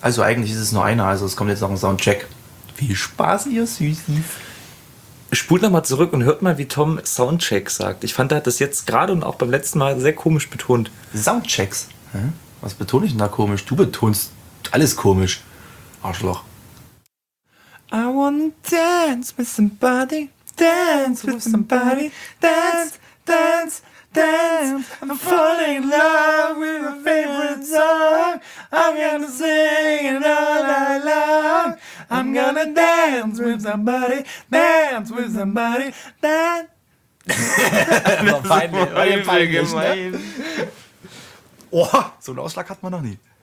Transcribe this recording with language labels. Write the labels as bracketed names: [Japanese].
[German] Also eigentlich ist es nur einer, also es kommt jetzt noch ein Soundcheck. Viel Spaß, ihr Süßen. Spult nochmal zurück und hört mal, wie Tom Soundcheck sagt. Ich fand, er hat das jetzt gerade und auch beim letzten Mal sehr komisch betont. Soundchecks? Hä? Was betone ich denn da komisch? Du betonst alles komisch, Arschloch. [English] I wanna dance with somebody, dance with somebody, dance, dance, dance. I'm falling in love with my favorite song. I'm gonna sing it all night long. I'm gonna dance with somebody, dance with somebody, dance. [German] Das war peinlich, ne? Oh, so einen Ausschlag hat man noch nie.